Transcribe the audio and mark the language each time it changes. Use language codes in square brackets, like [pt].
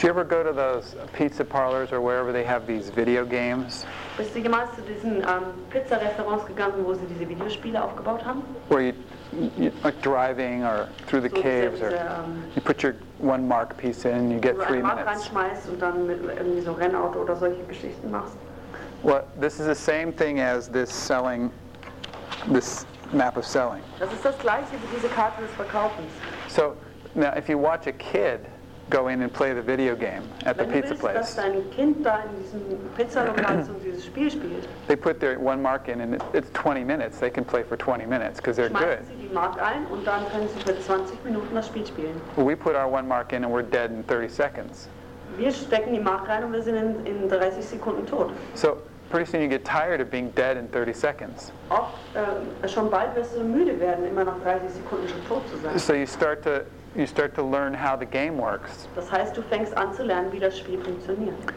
[en] Do you ever go to those pizza parlors or wherever they have these video games? [de] Bist du jemals zu diesen Pizza-Restaurants gegangen, wo sie diese Videospiele aufgebaut haben? [en] Where you like driving or through the so caves [de] diese, [en] or you put your one mark piece in, you get 3 minutes. [de] Wo du einen Mark reinschmeißt und dann mit irgendwie so Rennauto oder solche Geschichten machst. [en] Well, this is the same thing as this selling, this map of selling. [de] Das ist das gleiche wie diese Karte des Verkaufens. [en] So now if you watch a kid go in and play the video game at [de] wenn [en] the pizza [de] willst, [en] place. [de] Dass dein Kind da in diesem Pizzalokal so dieses Spiel spielt. [en] They put their one mark in and it's 20 minutes. They can play for 20 minutes because they're good. [de] Schmeißen sie die Mark ein und dann können sie für 20 Minuten das Spiel spielen. [en] We put our one mark in and we're dead in 30 seconds. [de] Wir stecken die Mark rein und wir sind in 30 Sekunden tot. [en] So pretty soon you get tired of being dead in 30 seconds. [de] Schon bald wirst du müde werden, immer nach 30 Sekunden schon tot zu sein. [en] So you start to learn how the game works. [de] Das heißt, du fängst an zu lernen, wie das Spiel funktioniert.